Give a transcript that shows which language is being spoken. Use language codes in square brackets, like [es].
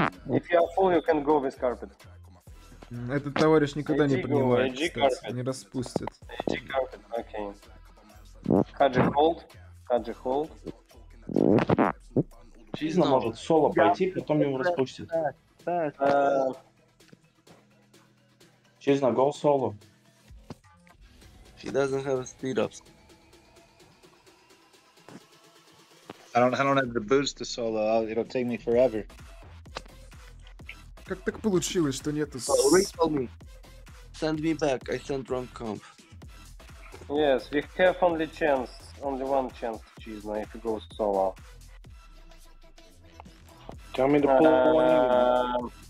[en] If you are full, you can go with carpet. [ru] Этот товарищ никогда не принимает, кстати, не распустит. [en] AG carpet, okay. Хаджи hold. [ru] Чизна может соло пойти, потом его распустит. [en] Чизна, go solo. She doesn't have a speed up. I don't have the boost to solo, it'll take me forever. [ru] Как так получилось, что нету с... [en] Send me back, I sent wrong comp. Yes, we have only chance, only one chance to cheese now if it goes solo. Tell me the pull point.